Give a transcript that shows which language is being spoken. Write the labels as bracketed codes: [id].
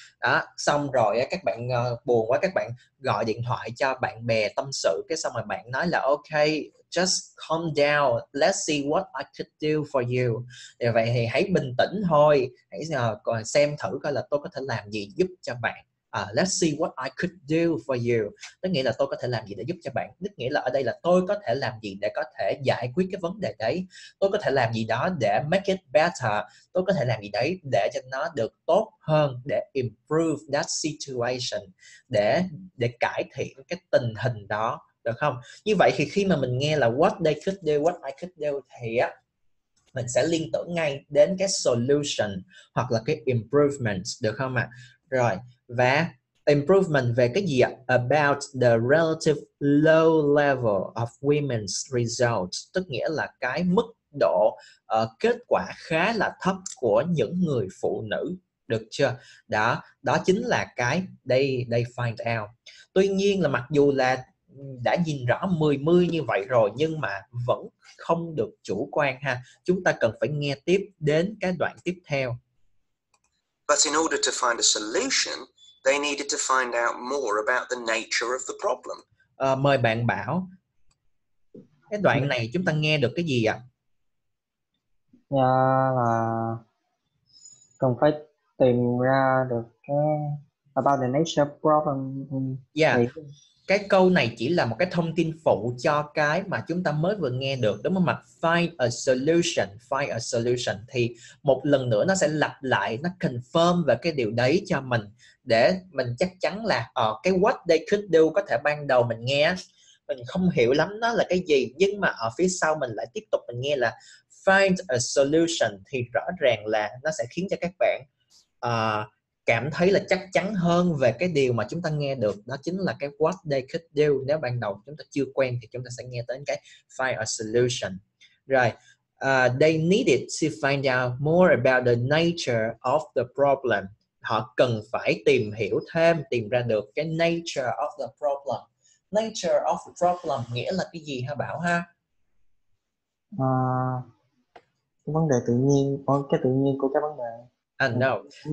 [vi] Đó, xong rồi các bạn buồn quá, các bạn gọi điện thoại cho bạn bè tâm sự, cái xong rồi bạn nói là [en] ok, just calm down, let's see what I could do for you. [vi] Thì vậy thì hãy bình tĩnh thôi, hãy xem thử coi là tôi có thể làm gì giúp cho bạn. [en] Let's see what I could do for you. [vi] Tức nghĩa là tôi có thể làm gì để giúp cho bạn. Tức nghĩa là ở đây là tôi có thể làm gì để có thể giải quyết cái vấn đề đấy. Tôi có thể làm gì đó để [en] make it better. [vi] Tôi có thể làm gì đấy để cho nó được tốt hơn, để [en] improve that situation, [vi] để cải thiện cái tình hình đó, được không? Như vậy thì khi mà mình nghe là [en] what they could do, [vi] what I could do thì á, mình sẽ liên tưởng ngay đến cái solution hoặc là cái improvement, được không ạ? Rồi. Và improvement về cái gì ạ? [en] About the relative low level of women's results. [vi] Tức nghĩa là cái mức độ kết quả khá là thấp của những người phụ nữ. Được chưa? Đó, đó chính là cái [en] they find out. [vi] Tuy nhiên là mặc dù là đã nhìn rõ 10-10 như vậy rồi, nhưng mà vẫn không được chủ quan ha. Chúng ta cần phải nghe tiếp đến cái đoạn tiếp theo. [en] But in order to find a solution, they needed to find out more about the nature of the problem. [vi] Mời bạn Bảo. Cái đoạn này chúng ta nghe được cái gì ạ? Là cần phải tìm ra được cái [en] about the nature of problem. [vi] Yeah. Cái câu này chỉ là một cái thông tin phụ cho cái mà chúng ta mới vừa nghe được, đúng không ạ? [en] Find a solution, find a solution. [vi] Thì một lần nữa nó sẽ lặp lại, nó confirm về cái điều đấy cho mình, để mình chắc chắn là cái [en] what they could do [vi] có thể ban đầu mình nghe mình không hiểu lắm nó là cái gì, nhưng mà ở phía sau mình lại tiếp tục mình nghe là [en] find a solution, [vi] thì rõ ràng là nó sẽ khiến cho các bạn cảm thấy là chắc chắn hơn về cái điều mà chúng ta nghe được. Đó chính là cái [en] what they could do. [vi] Nếu ban đầu chúng ta chưa quen thì chúng ta sẽ nghe tới cái [en] find a solution. Right. They needed to find out more about the nature of the problem. [vi] Họ cần phải tìm hiểu thêm, tìm ra được cái [en] nature of the problem. Nature of the problem [vi] nghĩa là cái gì hả Bảo ha? Vấn đề tự nhiên, cái tự nhiên của cái vấn đề. [en] No.